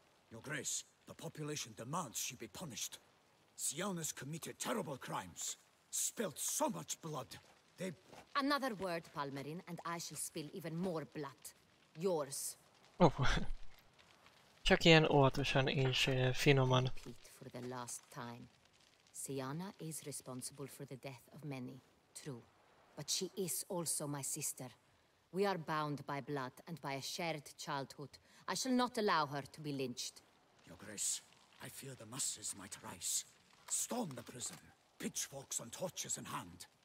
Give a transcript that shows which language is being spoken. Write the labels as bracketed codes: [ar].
[en] Your Grace, the population demands she be punished. Sianna's committed terrible crimes, spilt so much blood. They... Another word, Palmerin, and I shall spill even more blood. Yours. Oh. [hu] Csak ilyen óvatosan és finoman. [en] For the last time. Sianna is responsible for the death of many, true. But she is also my sister. We are bound by blood and by a shared childhood. I shall not allow her to be lynched. Your Grace, I fear the masses might rise. Storm the prison, pitchforks and torches in hand.